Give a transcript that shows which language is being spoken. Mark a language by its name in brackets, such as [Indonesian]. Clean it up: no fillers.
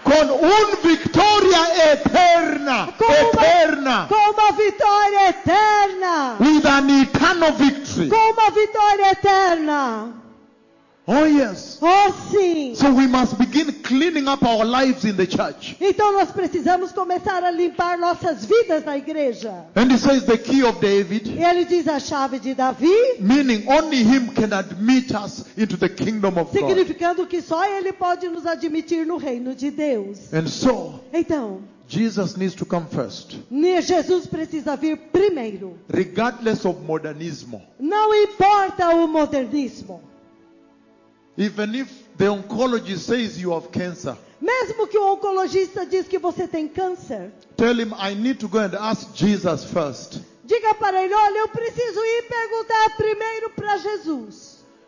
[Portuguese] Com uma vitória eterna. Com eterna. Com uma vitória eterna. [English] With an eternal victory. [Portuguese] Com uma vitória eterna. [English] Oh yes. [Portuguese] Oh sim. [English] So we must begin cleaning up our lives in the church. [Portuguese] Então nós precisamos começar a limpar nossas vidas na igreja. [English] And he says the key of David. [Portuguese] E ele diz a chave de Davi. [English] Meaning only him can admit us into the kingdom of [Portuguese] significando [English] God. [Portuguese] Significando que só ele pode nos admitir no reino de Deus. [English] And so. [Portuguese] Então. [English] Jesus needs to come first. [Portuguese] Jesus precisa vir primeiro. [English] Regardless of modernismo. [Portuguese] Não importa o modernismo. [English] Even if the oncologist says you have cancer. [Portuguese] Mesmo que o oncologista diz que você tem câncer. [English] Tell him I need to go and ask Jesus first. [Portuguese] Diga para ele, olha, eu preciso ir perguntar primeiro para Jesus.